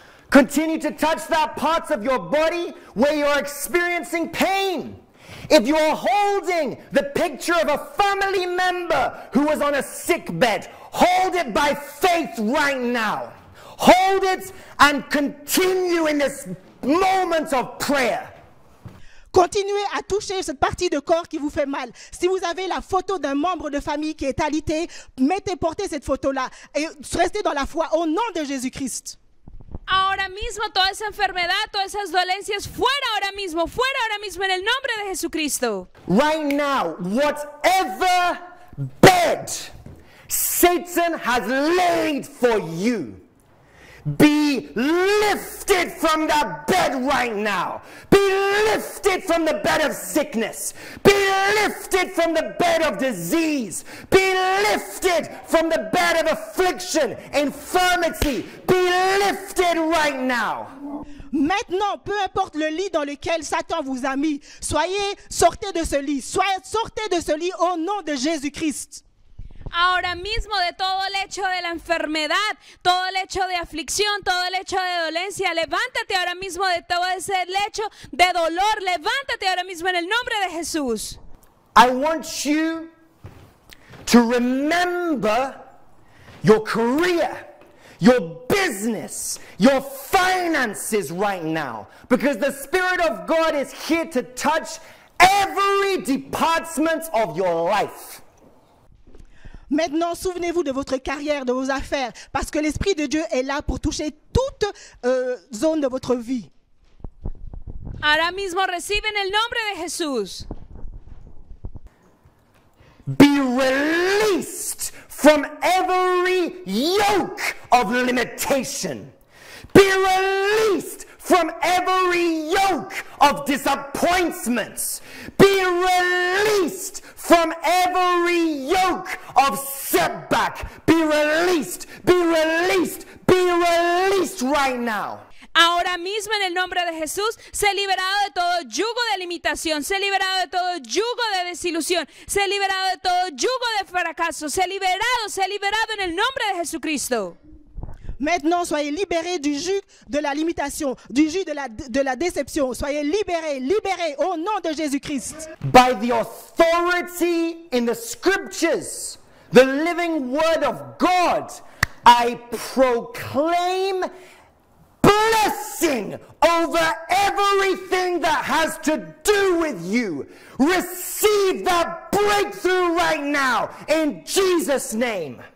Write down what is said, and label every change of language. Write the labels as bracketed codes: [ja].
[en] Continue to touch that parts of your body where you are experiencing pain. If you are holding the picture of a family member who was on a sick bed, hold it by faith right now. Hold it and continue in this moment of prayer. [fr] Continuez à toucher cette partie de corps qui vous fait mal. Si vous avez la photo d'un membre de famille qui est alité, mettez porter cette photo-là et restez dans la foi au nom de Jésus-Christ. [es] Ahora mismo, toda esa enfermedad, todas esas dolencias, fuera ahora mismo en el nombre de Jesucristo. [en] Right now, whatever bed Satan has laid for you, be lifted from that bed right now. Be lifted from the bed of sickness. Be lifted from the bed of disease. Be lifted from the bed of affliction, infirmity. Be lifted right now. [fr] Maintenant, peu importe le lit dans lequel Satan vous a mis, soyez sortez de ce lit. Soyez sortez de ce lit au nom de Jésus-Christ. [es] Ahora mismo, de todo el hecho de la enfermedad, todo el hecho de aflicción, todo el hecho de dolencia, levántate ahora mismo de todo ese hecho de dolor, levántate ahora mismo en el nombre de Jesús. [en] I want you to remember your career, your business, your finances right now, because the Spirit of God is here to touch every department of your life. [fr] Maintenant, souvenez-vous de votre carrière, de vos affaires, parce que l'Esprit de Dieu est là pour toucher toute zone de votre vie. [es] Ahora mismo reciben el nombre de Jesús. [en] Be released from every yoke of limitation. Be released from every yoke of disappointments. Be released from every yoke of setback. Be released, be released, be released right now. [es] Ahora mismo en el nombre de Jesús, sé liberado de todo yugo de limitación, sé liberado de todo yugo de desilusión, sé liberado de todo yugo de fracaso, sé liberado en el nombre de Jesucristo. [fr] Maintenant, soyez libérés du jus de la limitation, du jus de la déception. Soyez libérés, libérés au nom de Jésus-Christ. [en] By the authority in the scriptures, the living word of God, I proclaim blessing over everything that has to do with you. Receive that breakthrough right now in Jesus' name.